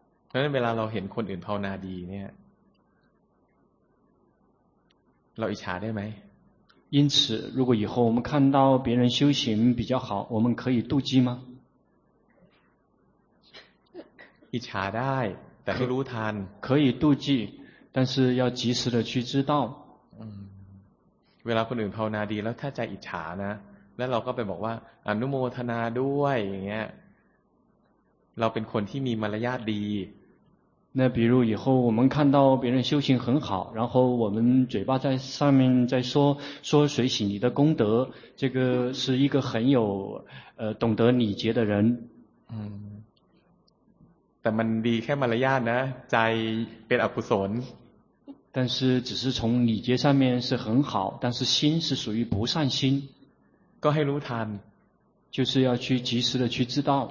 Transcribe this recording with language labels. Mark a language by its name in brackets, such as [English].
[Thai] เพราะฉะนั้นเวลาเราเห็นคนอื่นภาวนาดีเนี่ยเราอิจฉาได้ไหม [Chinese] 因此如果以后我们看到别人修行比较好我们可以妒忌吗 [Thai] อิจฉาได้แต่ให้รู้ทัน [Chinese] 可以妒忌但是要及时的去知道 [Thai] เวลาคนอื่นภาวนาดีแล้วถ้าใจอิจฉานะแล้วเราก็ไปบอกว่าอนุโมทนาด้วยอย่างเงี้ยเราเป็นคนที่มีมารยาทดี [Chinese] 那比如以后我们看到别人修行很好然后我们嘴巴在上面在说随喜你的功德这个是一个很有懂得礼节的人 [Thai] 但มันดีแค่มารยาทนะใจเป็นอกุศล [Chinese] 但是只是从礼节上面是很好但是心是属于不善心 [Thai] ก็ให้รู้ทัน [Chinese] 就是要去及时的去知道